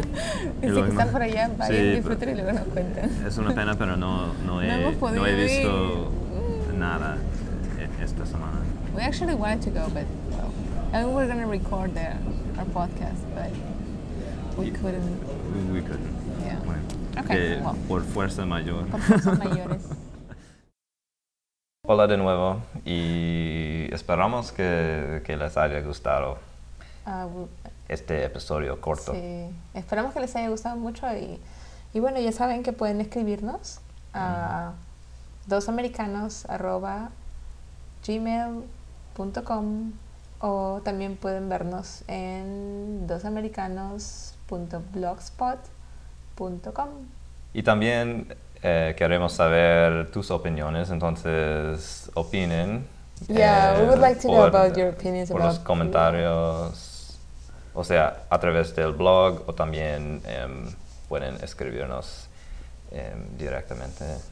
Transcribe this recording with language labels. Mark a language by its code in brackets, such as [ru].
[es] Dice que están por allá, vayan, sí, disfruten y luego nos cuentan. Es una pena, pero no he visto nada esta semana. [en] We actually wanted to go, but well, I mean, we're going to record there, our podcast, but we couldn't. Yeah. [es] Bueno, [en] okay, well. [es] Por fuerza mayor. Por fuerza mayores. Hola de nuevo, y esperamos que les haya gustado este episodio corto. Sí, esperamos que les haya gustado mucho y bueno, ya saben que pueden escribirnos a dosamericanos@gmail.com o también pueden vernos en dosamericanos.blogspot.com. Y también queremos saber tus opiniones, entonces opinen. [en] Yeah, we would like to know about your opinions about [es] los comentarios, o sea, a través del blog, o también pueden escribirnos directamente.